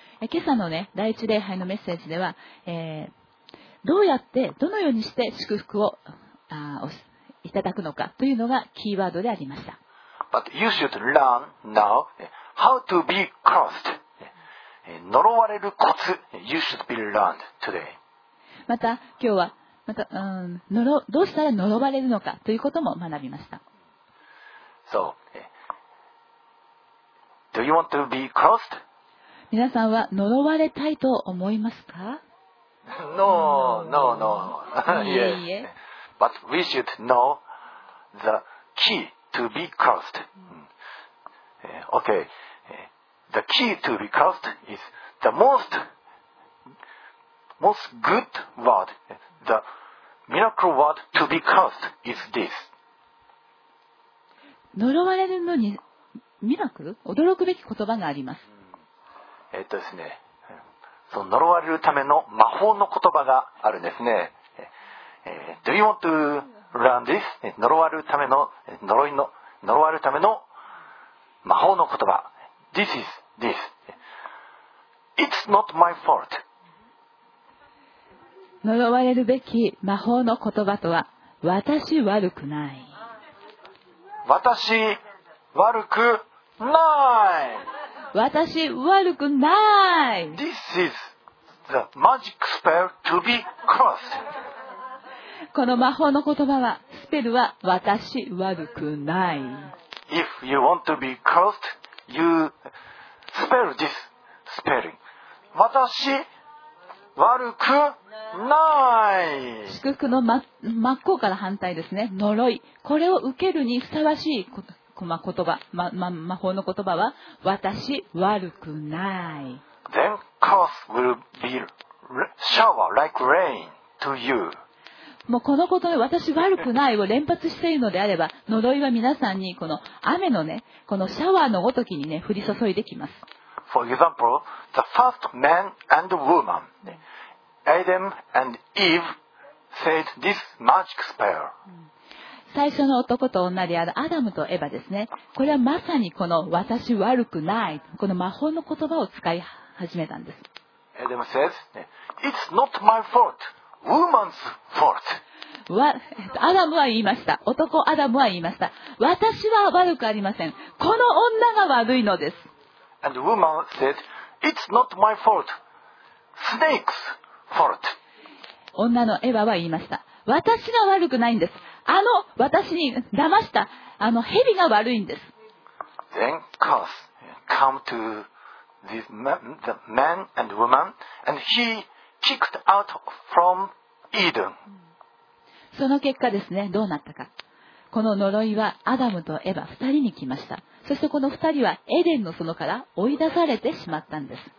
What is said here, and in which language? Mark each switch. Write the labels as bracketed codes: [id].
[ja] 今朝の、ね、第一礼拝のメッセージでは、どうやって、どのようにして祝福をいただくのかというのがキーワードでありました。 [en] But you should learn now how to be cursed. [ja] 呪われるコツ、 [en] you should be learned today. [ja] また今日はまた、どうしたら呪われるのかということも学びました。 [en] SoDo you want to be cursed? [ja] 皆さんは呪われたいと思いますか? [en] No. Yes. But we should know the key to be cursed. Okay. The key to be cursed is the most good word, the miracle word to be cursed is this. [ja] 呪われるのにミラクル、驚くべき言葉があります。ですね、その呪われるための魔法の言葉があるんですね。 [en] Do you want to learn this? [ja] 呪われるための呪われるための魔法の言葉。 [en] This is this. It's not my fault. [ja] 呪われるべき魔法の言葉とは、私悪くない、私悪くない。私悪くない。 [en] This is the magic spell to be cursed. [ja] この魔法の言葉は、スペルは私悪くない。 [en] If you want to be cursed, you spell this spelling. [ja] 私悪くない。祝福の真っ向から反対ですね。呪い、これを受けるにふさわしい魔法の言葉は、私悪くない。 [en] Then curse will be shower like rain to you. [ja] もうこのことで私悪くないを連発しているのであれば、呪いは皆さんにこの雨のね、このシャワーのごときにね、降り注いできます。 [en] For example, the first man and woman, Adam and Eve, said this magic spell. [ja] 最初の男と女であるアダムとエバですね。これはまさにこの私悪くない、この魔法の言葉を使い始めたんです。 [en] Adam says, It's not my fault. Woman's fault. [ja] アダムは言いました。男アダムは言いました。私は悪くありません。この女が悪いのです。 [en] And woman said, It's not my fault. Snake's fault. [ja] 女のエヴァは言いました。私が悪くないんです。あの私に騙したあの蛇が悪いんです。 [en] Then curse come to the man and woman and heKicked out from Eden. [ja] その結果ですね、どうなったか。この呪いはアダムとエバ2人に来ました。そしてこの2人はエデンの園から追い出されてしまったんです。